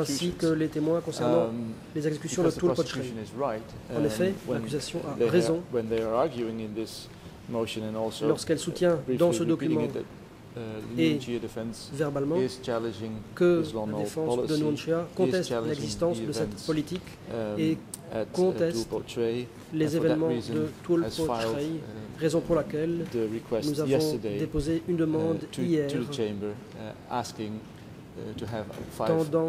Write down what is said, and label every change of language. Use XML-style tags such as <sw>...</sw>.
<fr>Ainsi que les témoins concernant les exécutions de Tulpoche.</fr> <en>Right,</en> <fr>en effet, l'accusation a raison.</fr> <en>When they are arguing in this motion and also</en> <fr>lorsqu'elle soutient dans ce document et verbalement</fr> <en>is challenging</en> <fr>que la défense de Nuncia conteste l'existence de cette politique et conteste les événements de Tulpoche, raison pour laquelle nous avons déposé une demande hier tendant</fr>